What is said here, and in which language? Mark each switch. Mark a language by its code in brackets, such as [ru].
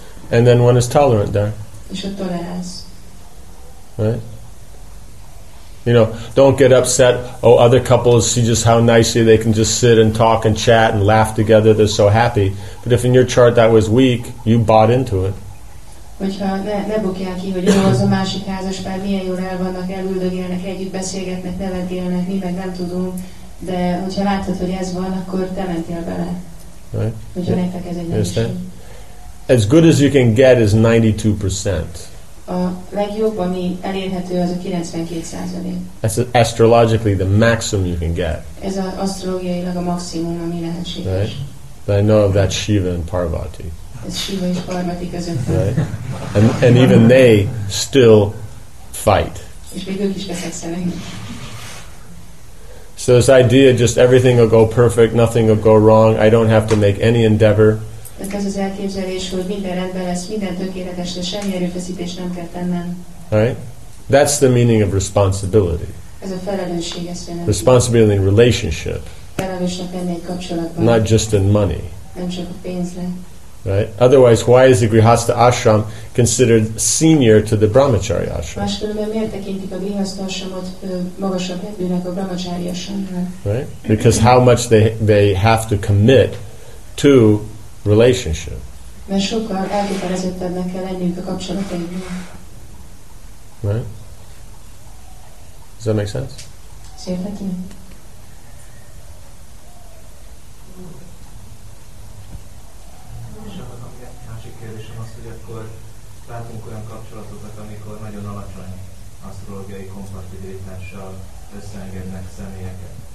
[en] And then one is tolerant there. Right? You know, don't get upset. Oh, other couples see just how nicely they can just sit and talk and chat and laugh together. They're so happy. But if in your chart that was weak, you bought into it. [hu] Hogyha ne bukjál ki, hogy jó, az a másik házaspár, milyen jól el vannak, elüldögélnek, együtt beszélgetnek, nevetélnek, mi meg nem tudunk. De hogyha láthatod, hogy ez van, akkor te mentél bele. [en] Right? [hu] Hogyha nektek ez egy [en] is. As good as you can get is 92%. [hu] A legjobb, ami elérhető, az a 92%. [en] That's astrologically the maximum you can get. [hu] Ez az asztrológiailag a maximum, ami lehetséges. [en] Right? But I know of that Shiva and Parvati. [hu] Ez Shiva és Parvati között. [en] Right? And even they still fight. [hu] És még ők is veszekszenek. [en] So this idea, just everything will go perfect, nothing will go wrong, I don't have to make any endeavor. [hu] Ez az elképzelés, hogy minden rendben lesz, minden tökéletes, de semmi erőfeszítés nem kell tennem. [en] Right? That's the meaning of responsibility. [hu] Ez a felelősség, ezt jelenti. [en] Responsibility in relationship. [hu] Felelősnek lenni egy kapcsolatban. [en] Not just in money. [hu] Nem csak a pénzre. [en] Right? Otherwise, why is the Grihastha ashram considered senior to the Brahmacharya ashram? [hu] Máskülönben miért tekintik a Grihastha ashramot magasabb rendűnek a Brahmacharya ashramnál? [en] Right? Because how much they have to commit to relationship. [hu] Mert sokkal elkötelezettebbnek kell lennünk a kapcsolatainknak. [en] Right? Does that make sense? [hu] Szerintem. És akkor a másik kérdésem az, hogy akkor látunk olyan kapcsolatokat, amikor nagyon alacsony asztrológiai kompatibilitással összeengednek személyeket.